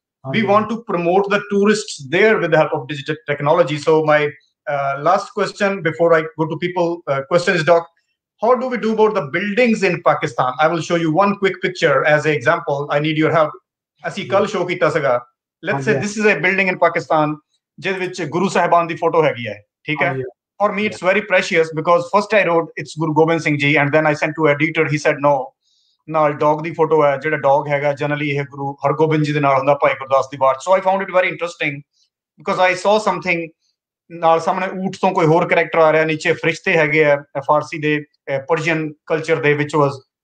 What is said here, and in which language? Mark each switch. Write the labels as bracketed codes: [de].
[en] We want to promote the tourists there with the help of digital technology. So my last question before I go to people, question is, Doc, how do we do about the buildings in Pakistan? I will show you one quick picture as an example. I need your help. Let's say this is a building in Pakistan. [pa] ਜਿਹਦੇ ਵਿੱਚ ਗੁਰੂ ਸਾਹਿਬਾਨ ਦੀ photo ਹੈਗੀ ਹੈ, ਠੀਕ ਹੈ? [en] For me, it's very precious because first I wrote, it's Guru Gobind Singh Ji, and then I sent to editor. He said, no. [pa] ਨਾਲ dog ਦੀ photo ਹੈ ਜਿਹੜਾ ਡੌਗ ਹੈਗਾ ਜਨਰਲੀ ਇਹ ਗੁਰੂ ਹਰਗੋਬਿੰਦ ਜੀ ਦੇ ਨਾਲ ਹੁੰਦਾ ਭਾਈ ਗੁਰਦਾਸ ਦੀ ਵਾਰ [en] so I found it very interesting because I saw something [pa] ਨਾਲ ਸਾਹਮਣੇ ਊਠ ਤੋਂ ਕੋਈ ਹੋਰ ਕਰੈਕਟਰ ਆ ਰਿਹਾ ਨੀਚੇ ਫਰਿਸ਼ਤੇ ਹੈਗੇ ਆ ਫਾਰਸੀ ਦੇ ਪਰਸ਼ੀਅਨ ਕਲਚਰ ਦੇ ਵਿੱਚ ਵਾਸ